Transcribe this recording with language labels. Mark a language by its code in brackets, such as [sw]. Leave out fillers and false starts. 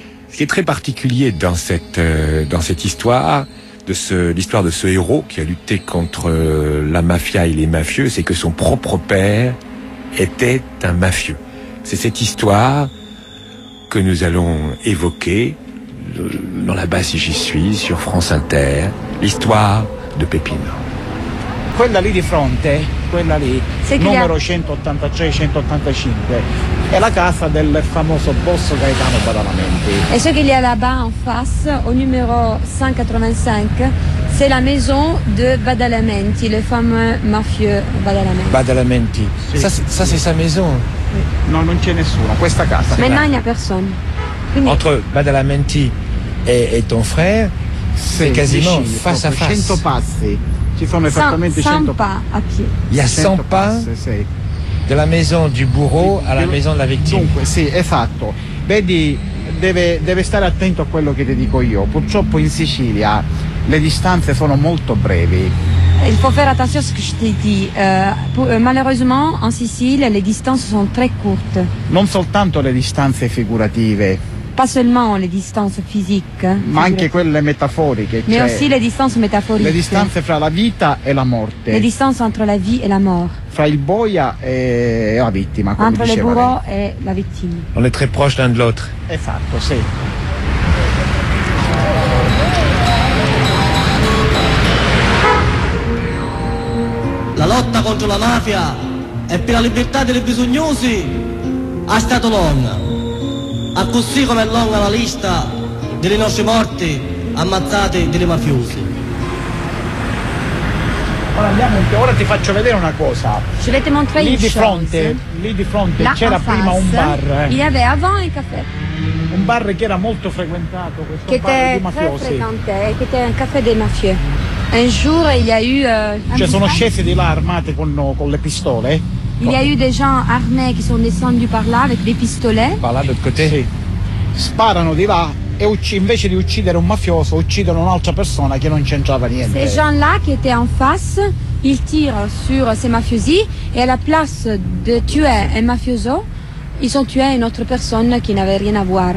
[fr] Ce qui est très particulier dans cette histoire, l'histoire de ce héros qui a lutté contre la mafia et les mafieux, c'est que son propre père était un mafieux. C'est cette histoire que nous allons évoquer dans la basse J'y suis sur France Inter, l'histoire de Peppino. [it] Quella lì di fronte, quella lì, numero 183-185, è la casa del famoso boss Gaetano Badalamenti. [fr] E ce qu'il y a là-bas en face, au numero 185, c'est la maison de Badalamenti, le fameux mafieux Badalamenti. Badalamenti, sì. Ça c'est sa maison? Oui. [it] Non, non c'è nessuno, questa casa. Ma non c'è nessuno. [fr] Entre Badalamenti e ton frère, c'est quasiment vicino, face à face. [it] 100 passi. Ci sono esattamente 100 [fr] pas à pied. Il y a 100 pas de la maison du bourreau à la maison de la victime. [it] Dunque, sì, esatto. Vedi, deve stare attento a quello che ti dico io. Purtroppo in Sicilia le distanze sono molto brevi. [fr] Il faut faire attention à ce que je t'ai dit. Malheureusement, en Sicile, les distances sont très courtes. [it] Non soltanto le distanze figurative. [fr] Pas seulement les distances physiques. [it] Ma anche quelle métaphorique. [fr] Mais aussi les distances métaphoriques. [it] Le distanze fra la vita e la morte. [fr] Le distance entre la vie et la mort. [it] Fra il boia e la vittima, come [fr] entre [it] diceva. [fr] Entre le bourreau et la vittima. On est très proche l'un de l'autre. [it] Esatto, sì. La lotta contro la mafia e per la libertà dei bisognosi è stata lunga. A così come è lunga la lista delle nostre morti ammazzate delle mafiose. Ora andiamo, ora ti faccio vedere una cosa. Ci volete montrare lì di fronte? Lì di fronte là c'era prima un bar. [fr] Il y avait avant un café. [it] Un bar che era molto frequentato, questo bar di mafiosi. [fr] Che était un café des mafieux. [it] Un giorno [fr] il y a eu. [it] Cioè sono scesi di là armate con le pistole? [fr] Il y a eu des gens armés qui sont descendus par là avec des pistolets. Par là, de l'autre côté. [it] Sì. Sparano di là e invece di uccidere un mafioso, uccidono un'altra persona che non c'entrava niente. [fr] Ces gens-là qui étaient en face, ils tirent sur ces mafiosi et à la place de tuer un mafioso, ils ont tué une autre personne qui n'avait rien à voir.